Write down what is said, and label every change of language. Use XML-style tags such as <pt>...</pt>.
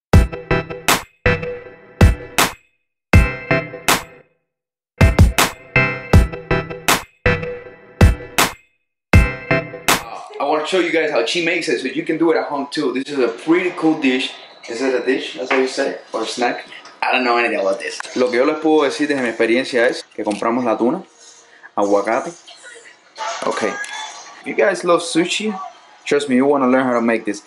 <en>I want to show you guys how she makes it, so you can do it at home too. This is a pretty cool dish. Is it a dish, that's how you say, or a snack? I don't know anything about this.</en> <es>Lo que yo les puedo decir desde mi experiencia es que compramos la tuna, aguacate.</es> <en>Okay. If you guys love sushi, trust me, you want to learn how to make this.</en>